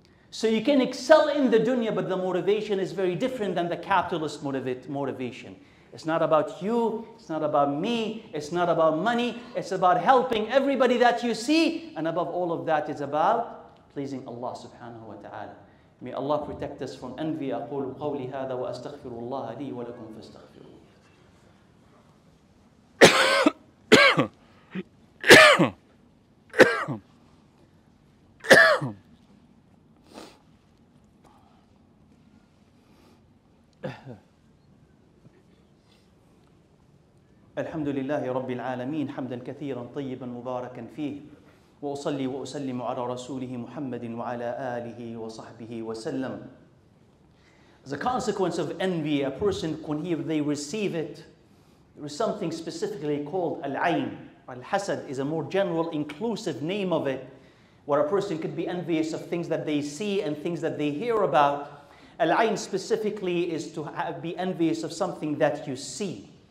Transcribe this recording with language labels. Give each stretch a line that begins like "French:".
English: So you can excel in the dunya, but the motivation is very different than the capitalist motivation. It's not about you, it's not about me, it's not about money, it's about helping everybody that you see, and above all of that, it's about pleasing Allah subhanahu wa ta'ala. May Allah protect us from envy.
Arabic: أقول قولي هذا وأستغفر الله لي ولكم فاستغفروا. الحمد لله رب العالمين حمدا كثيرا طيبا مباركا فيه وأصلي وأسلم على رسوله محمد وعلى آله وصحبه وسلم.
English: The consequence of envy, a person when they receive it, there is something specifically called al-ayn. Al-hasad is a more general inclusive name of it, where a person could be envious of things that they see and things that they hear about. Al-ayn specifically is to be envious of something that you see.